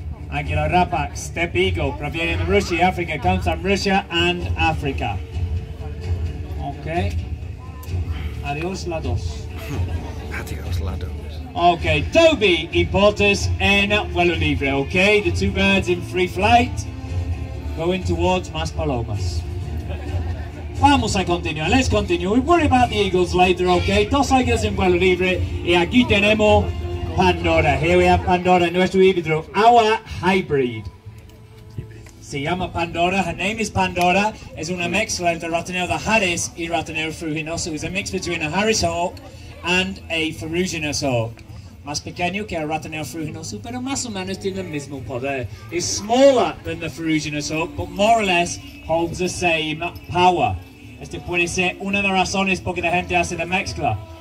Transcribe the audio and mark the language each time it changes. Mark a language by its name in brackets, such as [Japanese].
[English] Águila Rapaz, Step Eagle. [Spanish] Proviene de Russia, Africa. [English] Comes from Russia and Africa. Okay. Adios, lados. Adios, lados. [Spanish] Okay, Toby y Portus en vuelo libre, okay? [English] The two birds in free flight going towards Mas Palomas. [Spanish] Vamos a continuar, [English] let's continue. We worry about the eagles later, okay? [Spanish] Dos águilas en vuelo libre y aquí tenemos Pandora. [English] Here we have Pandora, [Spanish] nuestro híbrido, [English] our hybrid. [Spanish] Se llama Pandora, [English] her name is Pandora. [Spanish] Es una mezcla entre Ratonero de Harris y Ratonero Fruginoso. [English] It's a mix between a Harris hawk and a Fruginoso hawk. [Spanish] Más pequeño que el Ratonero Fruginoso, pero más o menos tiene el mismo poder. [English] Is smaller than the Fruginoso hawk, but more or less holds the same power. [Spanish] Este puede ser una de las razones porque la gente hace la mezcla.